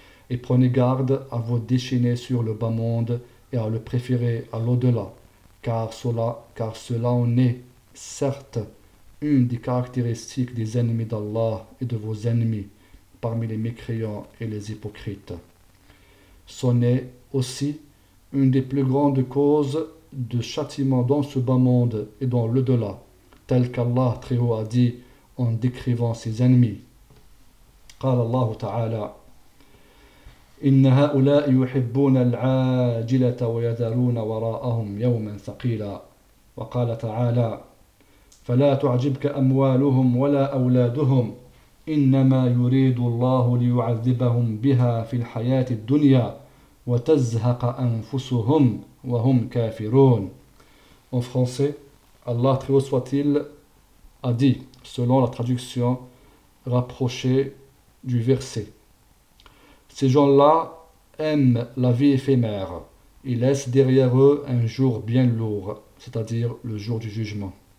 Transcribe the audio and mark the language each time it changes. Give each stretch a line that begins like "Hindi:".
French: Et prenez garde à vous déchaîner sur le bas monde et à le préférer à l'au-delà, car cela en est, certes, une des caractéristiques des ennemis d'Allah et de vos ennemis parmi les mécréants et les hypocrites. C'en est aussi une des plus grandes causes de châtiment dans ce bas monde et dans l'au-delà, tel qu'Allah très haut a dit en décrivant ses ennemis.
Arabic: Qala Allah ta'ala, إن هؤلاء يحبون العاجلة ويذرون وراءهم يوما ثقيلا وقال تعالى فلا تعجبك أموالهم ولا أولادهم إنما يريد الله ليعذبهم بها في الحياة الدنيا وتزهق أنفسهم وهم كافرون.
French: En français, Allah très haut soit-il a dit, selon la traduction rapprochée du verset. Ces gens-là aiment la vie éphémère. Ils laissent derrière eux un jour bien lourd, c'est-à-dire le jour du jugement.